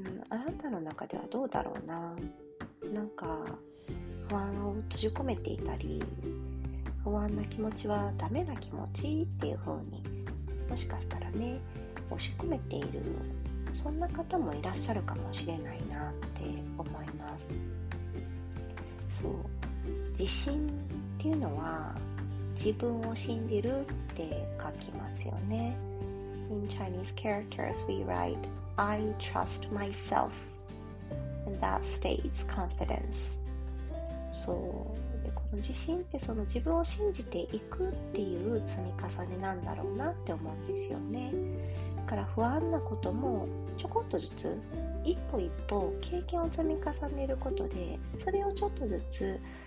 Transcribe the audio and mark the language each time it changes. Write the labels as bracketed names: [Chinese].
[Japanese] あなたの中ではどうだろうな。なんか不安を閉じ込めていたり、不安な気持ちはダメな気持ちっていう風にもしかしたらね押し込めている、そんな方もいらっしゃるかもしれないなって思います。そう、自信っていうのは自分を信じるって書きますよね。 [English] In Chinese characters we write I trust myself and that states confidence。 [Japanese] そう、でこの自信ってその自分を信じていくっていう積み重ねなんだろうなって思うんですよね。だから不安なこともちょこっとずつ一歩一歩経験を積み重ねることで、それをちょっとずつ